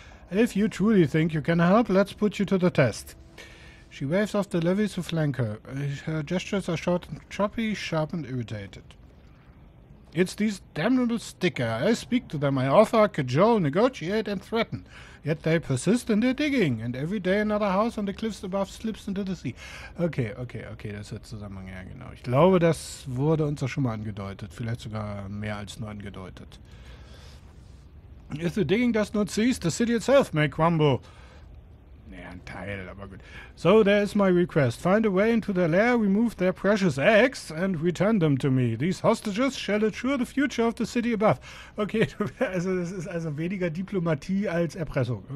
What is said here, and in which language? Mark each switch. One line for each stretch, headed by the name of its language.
English: If you truly think you can help, let's put you to the test. She waves off the levies to flank her. Her gestures are short and choppy, sharp and irritated. It's these damnable sticker. I speak to them, I offer, cajole, negotiate, and threaten. Yet they persist in their digging, and every day another house on the cliffs above slips into the sea.
German: Okay, okay, okay, das wird zusammen, ja genau. Ich glaube, das wurde uns auch schon mal angedeutet. Vielleicht sogar mehr als nur angedeutet.
English: If the digging does not cease, the city itself may crumble.
German: Ja, ein Teil, aber gut.
English: So, there is my request. Find a way into their lair, remove their precious eggs and return them to me. These hostages shall ensure the future of the city above.
German: Okay, also das ist also weniger Diplomatie als Erpressung.